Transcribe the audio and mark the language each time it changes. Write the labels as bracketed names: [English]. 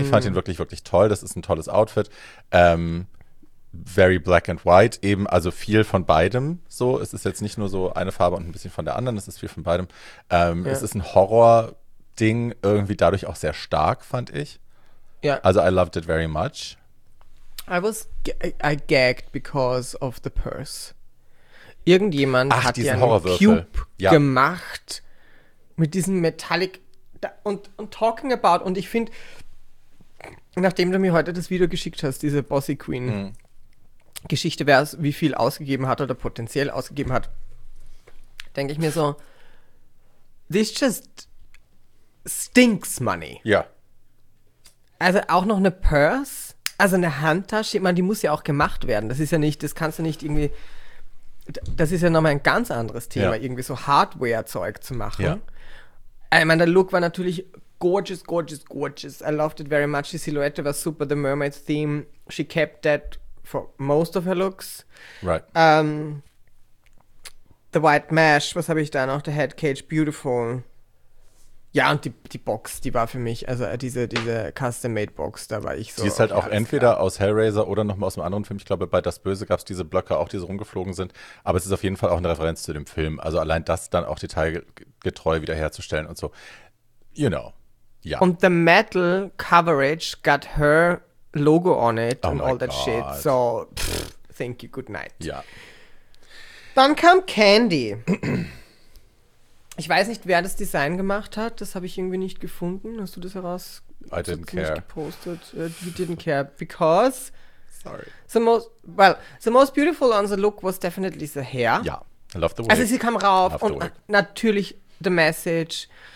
[German] Ich fand den wirklich, wirklich toll. Das ist ein tolles Outfit. [English] Very black and white [German] eben, also viel von beidem so. Es ist jetzt nicht nur so eine Farbe und ein bisschen von der anderen, es ist viel von beidem. Ja. Es ist ein Horror- Ding irgendwie dadurch auch sehr stark, fand ich. Ja. [English] Also, I loved it very much. I gagged because of the purse. [German] Irgendjemand hat diesen Horrorwürfel Cube gemacht mit diesem Metallic und [English] talking about, [German] und ich finde, nachdem du mir heute das Video geschickt hast, diese Bossy Queen Geschichte, wer wie viel ausgegeben hat oder potenziell ausgegeben hat, denke ich mir so, [English] this just stinks money. [German] Ja. Also auch noch eine Purse, also eine Handtasche, ich meine, die muss ja auch gemacht werden. Das ist ja nicht, das kannst du nicht irgendwie, das ist ja nochmal ein ganz anderes Thema, irgendwie so Hardware-Zeug zu machen. Ja. Ich meine, der Look war natürlich gorgeous, gorgeous, gorgeous. [English] I loved it very much. [German] Die Silhouette war super, [English] the mermaid theme. She kept that for most of her looks. Right. The white mesh, [German] was habe ich da noch? [English] The head cage, beautiful. [German] Ja, und die Box, die war für mich, also diese Custom-Made-Box, da war ich so. Die ist halt auch entweder aus Hellraiser oder nochmal aus einem anderen Film. Ich glaube, bei Das Böse gab es diese Blöcke auch, die so rumgeflogen sind. Aber es ist auf jeden Fall auch eine Referenz zu dem Film. Also allein das dann auch detailgetreu wiederherzustellen und so. [English] You know, ja. Und the metal coverage got her logo on it and all that shit. So, thank you, good night. [German] Ja. Dann kam Candy. Ich weiß nicht, wer das Design gemacht hat. Das habe ich irgendwie nicht gefunden. Hast du das heraus? [English] I didn't care. Gepostet? We didn't care because. Sorry. The most beautiful on the look was definitely the hair. Ja, yeah. I love the wig. [German] Also sie kam rauf und natürlich [English] the message.